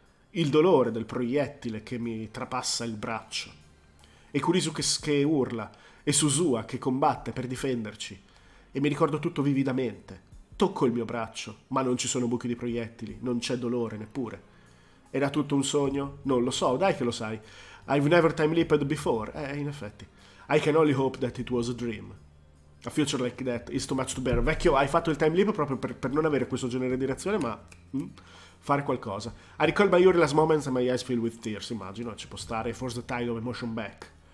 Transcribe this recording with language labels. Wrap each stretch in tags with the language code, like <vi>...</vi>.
<it>Il dolore del proiettile che mi trapassa il braccio. E Kurisu che urla. E Suzua che combatte per difenderci. E mi ricordo tutto vividamente. Tocco il mio braccio, ma non ci sono buchi di proiettili. Non c'è dolore neppure. Era tutto un sogno? Non lo so, dai che lo sai.</it> <en>I've never time leaped before.</en> <it>In effetti.</it> <en>I can only hope that it was a dream. A future like that is too much to bear.</en> <it>Vecchio, hai fatto il time leap proprio per non avere questo genere di reazione, ma. Fare qualcosa.</it> <en>I recall my very last moments and my eyes fill with tears.</en> <it>Immagino, ci può stare.</it> <en>Force the tide of emotion back.</en>